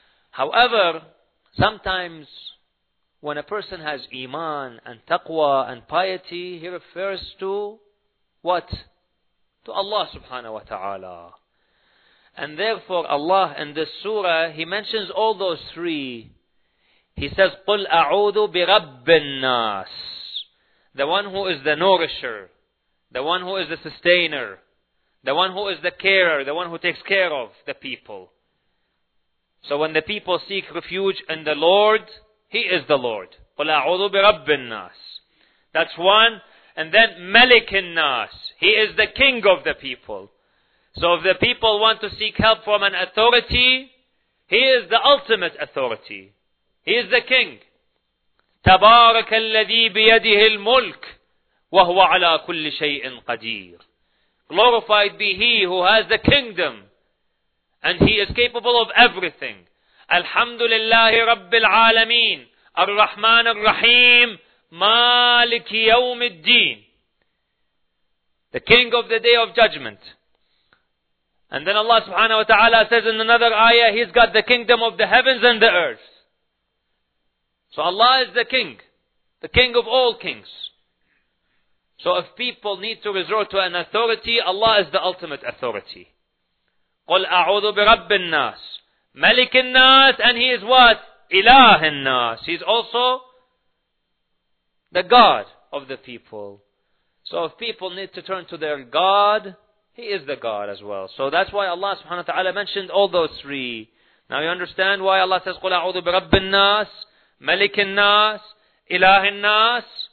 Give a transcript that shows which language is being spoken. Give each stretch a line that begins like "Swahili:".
English: However, sometimes when a person has iman and taqwa and piety, he refers to what? To Allah subhanahu wa ta'ala. And therefore Allah in this surah, he mentions all those three. He says,
Arabic: قُلْ أَعُوذُ بِرَبِّ النَّاسِ.
English: The one who is the nourisher, the one who is the sustainer, the one who is the carer, the one who takes care of the people. So when the people seek refuge in the Lord, He is the Lord.
Arabic: قُلْ أَعُوذُ بِرَبِّ النَّاسِ.
English: That's one. And then
Arabic: مَلِكِ النَّاسِ.
English: He is the king of the people. So if the people want to seek help from an authority, He is the ultimate authority. He is the king.
Arabic: تبارك الذي بيده الملك وهو على كل شيء قدير.
English: Glorified be He who has the kingdom and He is capable of everything.
Arabic: الحمد لله رب العالمين الرحمن الرحيم مالك يوم الدين.
English: The king of the day of judgment. And then Allah subhanahu wa ta'ala says in another ayah, He's got the kingdom of the heavens and the earth. So Allah is the king of all kings. So if people need to resort to an authority, Allah is the ultimate authority.
Arabic: قُلْ أَعُوذُ بِرَبِّ النَّاسِ مَلِكِ النَّاسِ.
English: And He is what?
Arabic: إِلَهِ النَّاسِ.
English: He's also the God of the people. So if people need to turn to their God, He is the God as well. So that's why Allah subhanahu wa ta'ala mentioned all those three. Now you understand why Allah says,
Arabic: قُلْ أَعُوذُ بِرَبِّ النَّاسِ مَلِكِ النَّاسِ إِلَهِ النَّاسِ.